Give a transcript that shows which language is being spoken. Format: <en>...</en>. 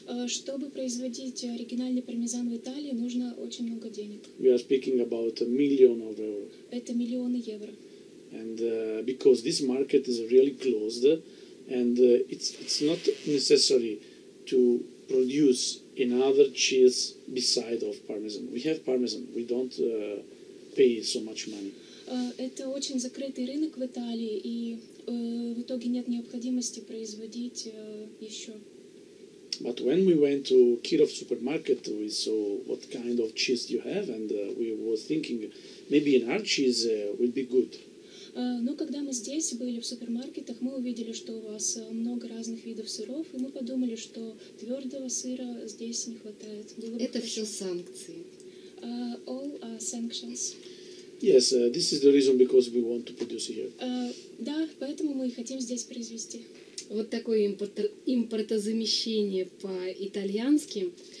<ru>Чтобы производить оригинальный пармезан в Италии, нужно очень много денег.</ru> <en>We are speaking about a million of euro.</en> <ru>Это миллионы евро.</ru> <en>And because this market is really closed. And it's not necessary to produce another cheese beside of parmesan. We have parmesan. We don't pay so much money.</en> <ru>Это очень закрытый рынок в Италии, и в итоге нет необходимости производить еще.</ru> <en>But when we went to Kirov supermarket, we saw what kind of cheese you have, and we were thinking maybe an our cheese would be good.</en> <ru>Но когда мы здесь были в супермаркетах, мы увидели, что у вас много разных видов сыров, и мы подумали, что твердого сыра здесь не хватает. Это все санкции.</ru> <en>All sanctions. Yes, this is the reason because we want to produce here.</en> <ru>Да, поэтому мы хотим здесь произвести. Вот такое импортозамещение по-итальянски.</ru>